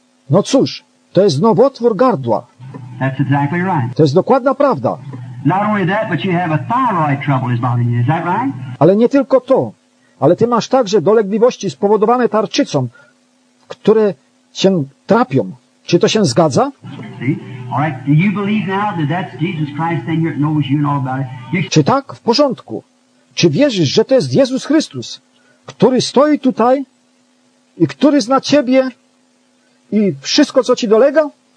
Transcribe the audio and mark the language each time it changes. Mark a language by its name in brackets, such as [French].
[Polish] No cóż, to jest nowotwór gardła. [English] That's exactly right. [Polish] To jest dokładna prawda. [English] Not only that, but you have a thyroid trouble is bothering you. Is that right? [Polish] Ale nie tylko to. Ale ty masz także dolegliwości spowodowane tarczycą, które cię trapią. Czy to się zgadza? [English] All right. Do you believe now that that's Jesus Christ and he knows you and all about it? [Polish] Czy tak? W porządku. Czy wierzysz, że to jest Jezus Chrystus, który stoi tutaj i który zna Ciebie i wszystko, co Ci dolega?